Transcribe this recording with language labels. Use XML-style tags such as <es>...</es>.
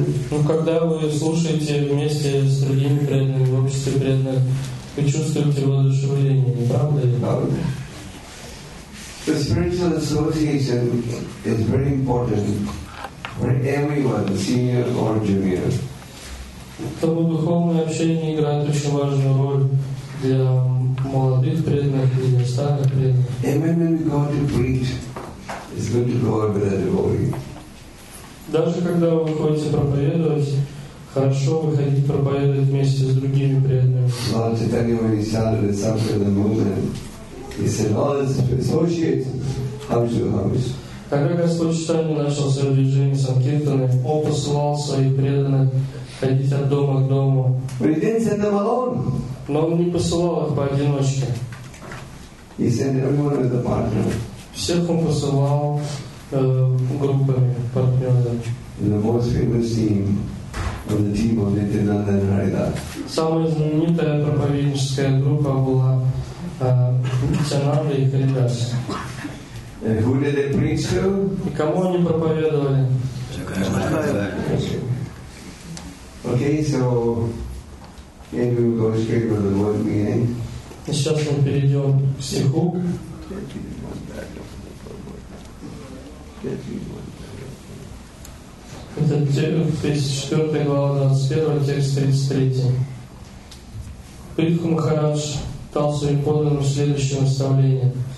<ru>Но когда вы слушаете вместе с другими преданными, в обществе преданных, вы чувствуете воодушевление, не правда ли?</ru> <en>The spiritual association is very important for everyone, senior or junior.</en> <ru>Тому духовное общение играет очень важную роль для молодых преданных и для старых преданных.</ru> <en>And when we go to preach, it's good to go with a devotee.</en> <ru>Даже когда вы выходите проповедовать, хорошо выходить проповедовать вместе с другими преданными.</ru> <en>Lord Chaitanya, when he started with something in the movement, he said, all his associates, how is your house?</en> <ru>Когда Господь Читание начал свое движение Санкиртаны, Он посылал своих преданных ходить от дома к дому.</ru> <en>But he didn't send them alone.</en> <ru>Но Он не посылал их поодиночке.</ru> <en>He sent everyone with a partner.</en> <ru>Всех Он посылал группами, партнерами.</ru> <en>And the most famous team was the team of Nityananda and Haridas.</en> <ru>Самая знаменитая проповедническая группа была Нитянанда и Харидас.</ru> <en>And who did they preach to?</en> <ru>И кому они проповедовали?</ru> <en>Okay, so maybe we'll go straight to the word meaning.</en> <ru>И сейчас мы перейдем к стиху. Это 34 глава 21 текст 33. Прихва Махарадж дал своим подданным следующее наставление.</ru>